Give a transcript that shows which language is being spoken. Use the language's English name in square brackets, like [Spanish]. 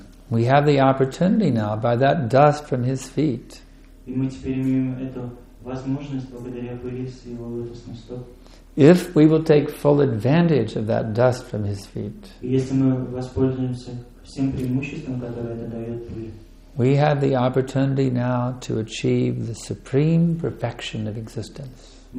[English] We have the opportunity now by that dust from his feet. [Russian] И мы теперь имеем эту возможность благодаря пыли с его лотосных стоп. [English] If we will take full advantage of that dust from his feet, we have the opportunity now to achieve the supreme perfection of existence.